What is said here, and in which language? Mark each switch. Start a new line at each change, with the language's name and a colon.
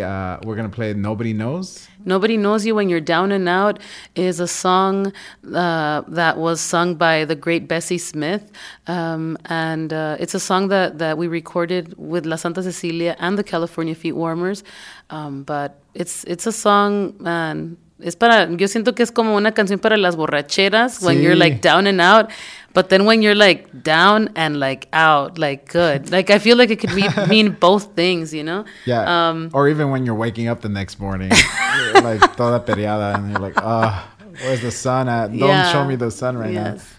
English: We're going to play Nobody Knows. Nobody Knows You When You're Down and Out is a song that was sung by the great Bessie Smith. It's a song that we recorded with La Santa Cecilia and the California Feet Warmers. But it's a song, man.
Spanish: Es para, yo siento que es como una canción para las borracheras, sí.
English: When you're like down and out, but then when you're like down and like out, like good. Like I feel like it could mean both things, you know? Yeah. Or even when you're waking up the next morning, like
Spanish: toda periada,
English: and you're like, oh, where's the sun at? Don't show me the sun right now.